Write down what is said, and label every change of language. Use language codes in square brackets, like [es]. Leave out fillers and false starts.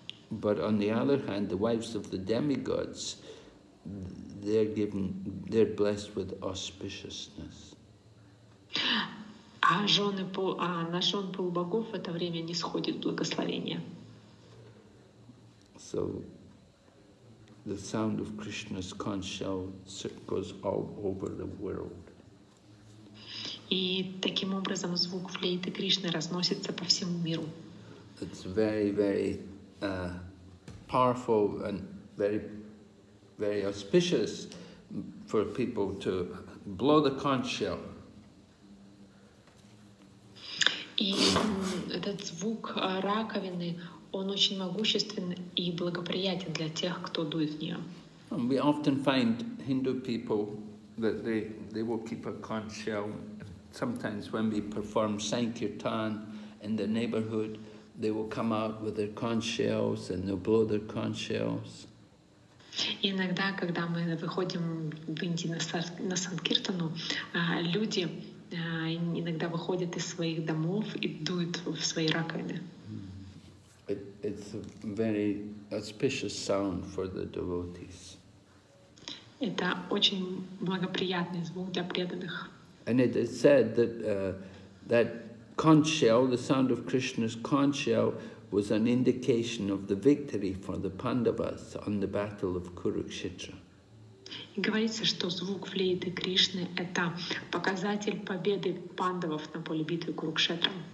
[en] But on the other hand, the wives of the demigods, they're given, they're blessed with auspiciousness. [ru] А жены на жен полубогов в это время не сходит благословение. [en] So the sound of Krishna's conch shell goes all over the world. [ru] И таким образом звук флейты Кришны разносится по всему миру. [en] It's very, very powerful and very, very auspicious for people to blow the conch shell. [ru] И этот звук раковины, он очень могуществен и благоприятен для тех, кто дует в нее. [en] And we often find Hindu people that they will keep a conch shell. Sometimes when we perform Sankirtan in the neighborhood, they will come out with their conch shells and they'll blow their conch shells. [ru] Иногда, когда мы выходим в Индии на Санкиртану, люди иногда выходят из своих домов и дуют в свои раковины. [en] It's a very auspicious sound for the devotees. [ru] Это очень благоприятный звук для преданных. [en] And it is said that that conch shell, the sound of Krishna's conch shell, was an indication of the victory for the Pandavas on the battle of Kurukshetra. [ru] Говорится, что звук флейты Кришны — это показатель победы пандавов на поле битвы Курукшетра.